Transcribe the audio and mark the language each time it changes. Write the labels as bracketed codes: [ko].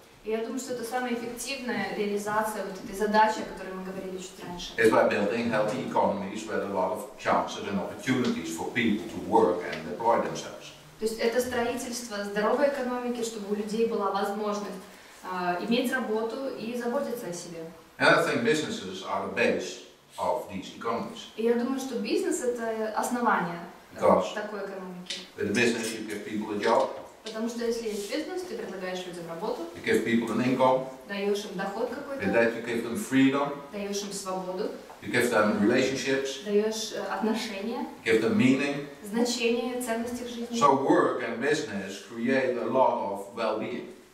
[ru] Я думаю, что это самая эффективная реализация вот этой задачи, о которой мы говорили чуть раньше. [en] It's by building healthy economies where there are a lot of chances and opportunities for people to work and deploy themselves. [ru] То есть это строительство здоровой экономики, чтобы у людей была возможность иметь работу и заботиться о себе. [en] And I think businesses are the base of these economies. [ru] И я думаю, что бизнес это основание такой экономики. [en] With a business, you give people a job. [ru] Потому что если есть бизнес, ты предлагаешь людям работу. [en] You give people an income. [ru] Даешь им доход какой-то. [en] With that, you give them freedom. [ru] Даешь им свободу. [en] You give them relationships. [ru] Даешь отношения. [en] You give them meaning. [ru] Значение, ценности в жизни. [en] So work and business create a lot of well-being.